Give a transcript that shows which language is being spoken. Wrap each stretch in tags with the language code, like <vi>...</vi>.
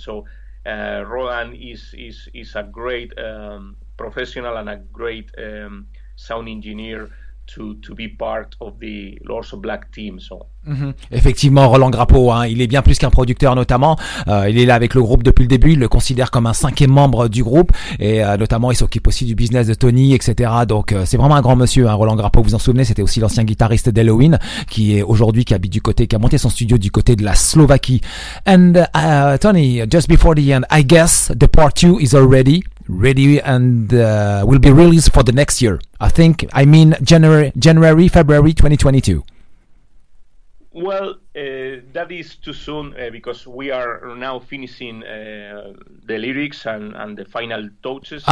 <en>So Roland is a great professional and a great sound engineer to be part of the Lords of Black team. So. Mm-hmm.</en> <fr>Effectivement, Roland Grappo, hein, il est bien plus qu'un producteur notamment. Il est là avec le groupe depuis le début. Il le considère comme un cinquième membre du groupe. Et notamment, il s'occupe aussi du business de Tony, etc. Donc, c'est vraiment un grand monsieur, hein, Roland Grappo. Vous en souvenez, c'était aussi l'ancien guitariste d'Halloween qui est aujourd'hui, qui habite du côté, qui a monté son studio du côté de la Slovaquie.</fr> <en>And Tony, just before the end, I guess the part two is already... ready and will be released for the next year. I think, I mean, January, February 2022. Well, that is too soon because we are now finishing the lyrics and the final touches.</en>